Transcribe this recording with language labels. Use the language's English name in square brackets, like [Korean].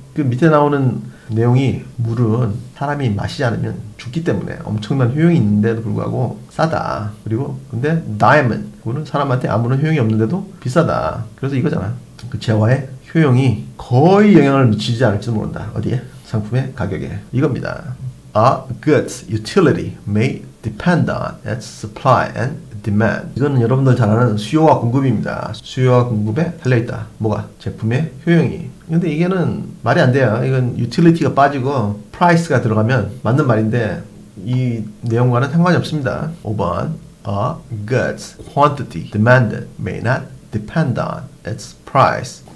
[Korean] 그 밑에 나오는 내용이 물은 사람이 마시지 않으면 죽기 때문에 엄청난 효용이 있는데도 불구하고 싸다. 그리고 근데 diamond, 그거는 사람한테 아무런 효용이 없는데도 비싸다. 그래서 이거잖아. 그 재화의 효용이 거의 영향을 미치지 않을지도 모른다. 어디에? 상품의 가격에. 이겁니다. [English] A good utility may depend on its supply and demand. [Korean] 이거는 여러분들 잘 아는 수요와 공급입니다. 수요와 공급에 달려있다. 뭐가? 제품의 효용이. 근데 이게는 말이 안 돼요. 이건 utility가 빠지고 price가 들어가면 맞는 말인데 이 내용과는 상관이 없습니다. [English] 5번 A good quantity demanded may not depend on its price.